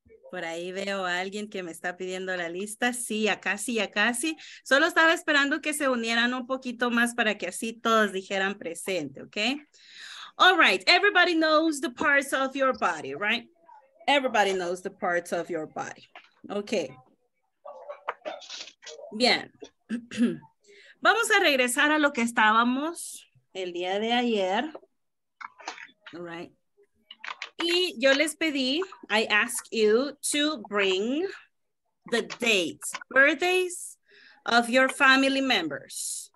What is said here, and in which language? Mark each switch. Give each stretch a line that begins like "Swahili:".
Spanish: Por ahí veo a alguien que me está pidiendo la lista. Sí, ya casi. Solo estaba esperando que se unieran un poquito más para que así todos dijeran presente, ¿ok?
English: All right, everybody knows the parts of your body, right? Everybody knows the parts of your body. Ok.
Spanish: Bien. Vamos a regresar a lo que estábamos el día de ayer.
English: All right.
Spanish: Y yo les pedí,
English: I ask you to bring the dates, birthdays of your family members.